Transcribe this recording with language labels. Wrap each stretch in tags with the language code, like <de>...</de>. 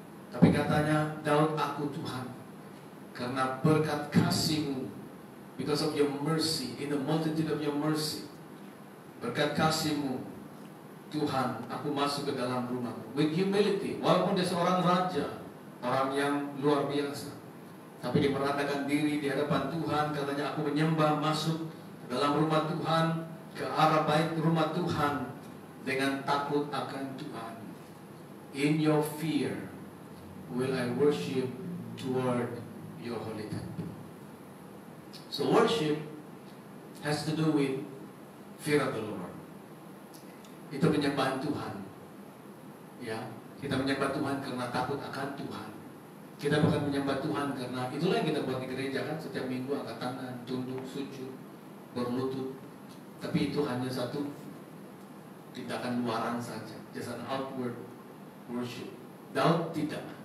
<id>Tapi katanya Daud, aku Tuhan, karena berkat kasihmu,</id> <en>because of your mercy,</en> <id>in the multitude of your mercy, berkat kasihmu, Tuhan, aku masuk ke dalam rumahmu.</id> <en>With humility,</en> <id>walaupun dia seorang raja, orang yang luar biasa, tapi dia meratakan diri di hadapan Tuhan, katanya aku menyembah masuk dalam rumah Tuhan, ke arah bait rumah Tuhan dengan takut akan Tuhan.</id> <en>In your fear will I worship toward your holy temple. So worship has to do with fear of the Lord.</en> <id>Itu penyembahan Tuhan. Ya, kita menyembah Tuhan karena takut akan Tuhan. Kita bukan menyembah Tuhan karena itulah yang kita buat di gereja kan, setiap minggu angkat tangan, tunduk, sujud, berlutut. Tapi itu hanya satu tindakan luaran saja,</id> <en>just an outward worship.</en> <id>Daud tidak.</id>